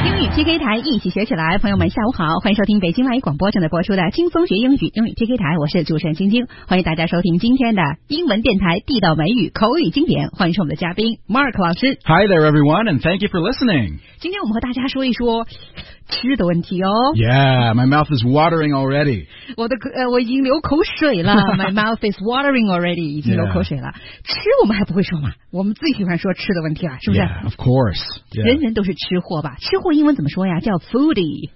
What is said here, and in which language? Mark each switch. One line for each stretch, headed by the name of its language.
Chinese: TK 台一起学起来，朋友们下午好，欢迎收听北京外语广播正在播出的轻松学英语，英语 TK 台，我是主持人晶晶，欢迎大家收听今天的英文电台地道美语口语经典，欢迎收我们的嘉宾 Mark 老师。
English: Hi there everyone, and thank you for listening.
Chinese: 今天我们和大家说一说吃的问题哦。
English: Yeah, my mouth is watering already.
Chinese: 我已经流口水了。
English: My mouth is watering already.
Chinese: 已经流口水了。 Yeah. 吃我们还不会说吗？我们最喜欢说吃的问题了，是不是？
English: Yeah, of course. Yeah.
Chinese: 人人都是吃货吧？吃货英文怎么说呀？叫 foodie.